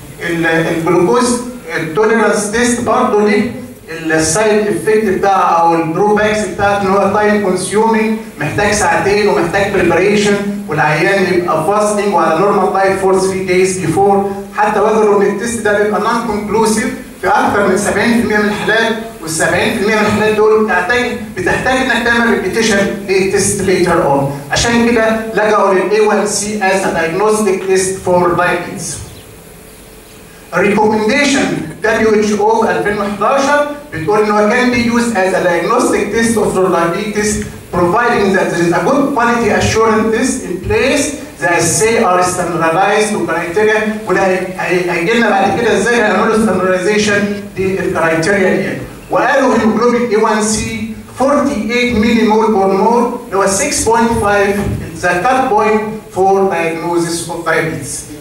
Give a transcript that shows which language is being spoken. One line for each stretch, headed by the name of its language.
English: الجلوكوز tolerance test
Arabic: برضه ليه
English: السايد افكت
Arabic: بتاعها او
English: الدروباكس
Arabic: بتاعت ان هو
English: time consuming
Arabic: محتاج ساعتين ومحتاج
English: preparation
Arabic: والعيان يبقى
English: fasting
Arabic: وعلى
English: Normal diet for 3 days before.
Arabic: حتى وجدوا ان التست ده بيبقى نون كونكلوسيف في اكثر من 70% من الحالات وال 70% من الحالات دول بتحتاج انك تعمل ريبيتيشن للتست ليتر اون. عشان كده لجأوا للـ A1C
English: as a diagnostic list for diabetes. Recommendation WHO 2011
Arabic: بتقول إنه
English: can be used as a diagnostic test of diabetes providing that there is a good quality assurance test in place that say are standardized to criteria.
Arabic: وهيجينا بعد كده ازاي هنعمل standardization للكرايتيريا دي. وقالوا هيموجلوبين A1C 48 مليمول بر مول اللي هو 6.5
English: is a cut point for diagnosis of diabetes.